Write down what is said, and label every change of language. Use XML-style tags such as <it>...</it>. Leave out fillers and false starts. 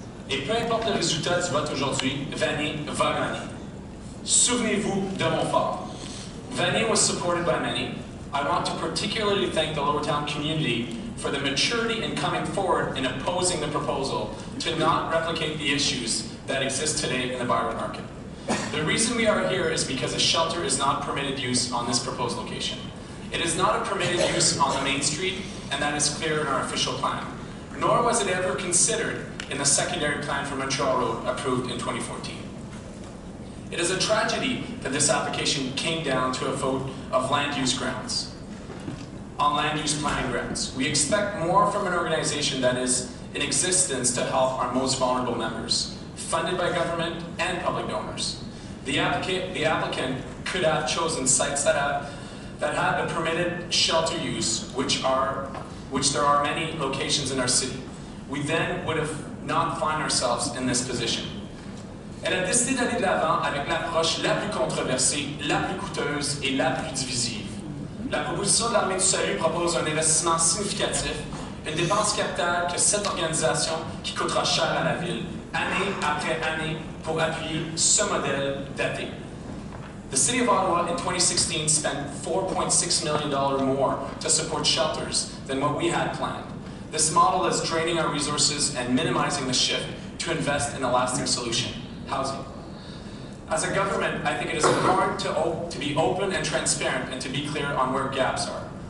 <fr>Et peu importe le résultat du vote aujourd'hui, Vanier va gagner. Souvenez-vous de mon fort.</fr> <en>Vanier was supported by many. I want to particularly thank the Lower Town community for the maturity in coming forward in opposing the proposal to not replicate the issues that exist today in the Byron market. The reason we are here is because a shelter is not permitted use on this proposed location. It is not a permitted use on the main street, and that is clear in our official plan. Nor was it ever considered in the secondary plan for Montreal Road approved in 2014. It is a tragedy that this application came down to a vote of land use grounds, on land use planning grounds. We expect more from an organization that is in existence to help our most vulnerable members, funded by government and public donors. The applicant could have chosen sites that have a permitted shelter use, which there are many locations in our city. We then would have not find ourselves in this position.</en> <fr>Elle a décidé d'aller de l'avant avec l'approche la plus controversée, la plus coûteuse et la plus divisive. La proposition de l'Armée du Salut propose un investissement significatif, une dépense capitale que cette organisation qui coûtera cher à la ville, année après année, pour appuyer ce modèle daté.</fr> <en>The City of Ottawa in 2016 spent $4.6 million more to support shelters than what we had planned. This model is draining our resources and minimizing the shift to invest in a lasting solution, housing. As a government, I think it is important to be open and transparent and to be clear on where gaps are.</en>